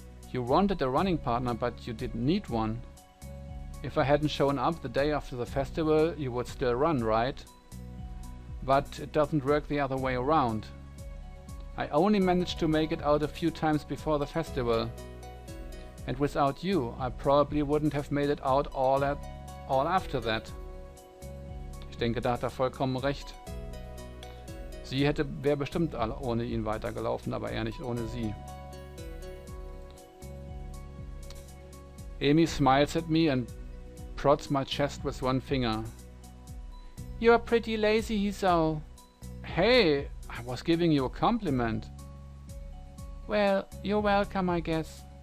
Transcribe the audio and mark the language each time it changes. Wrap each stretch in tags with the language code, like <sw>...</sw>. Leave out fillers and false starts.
<en>You wanted a running partner, but you didn't need one. If I hadn't shown up the day after the festival, you would still run, right? But it doesn't work the other way around. I only managed to make it out a few times before the festival. And without you, I probably wouldn't have made it out all after that.</en> <de>Ich denke, da hat er vollkommen recht. Sie hätte, wäre bestimmt ohne ihn weitergelaufen, aber er nicht ohne sie.</de> <en>Amy smiles at me and prods my chest with one finger. You are pretty lazy, Hisao. Hey, I was giving you a compliment. Well, you're welcome, I guess.</en>